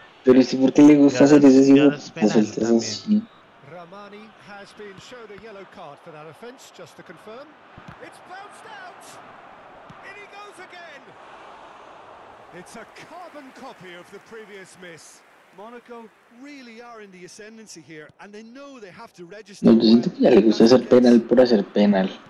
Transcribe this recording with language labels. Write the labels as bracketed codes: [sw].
[es] Pero si, ¿por qué le gusta hacer ese tipo de saltos así? [en] Ramani has been shown a yellow card for that offense, just to confirm. It's bounced out. In he goes again. It's a carbon copy of the previous miss. Monaco really are in the ascendancy here and they know they have to register. [es] No, yo siento que ya le gusta hacer penal por hacer penal.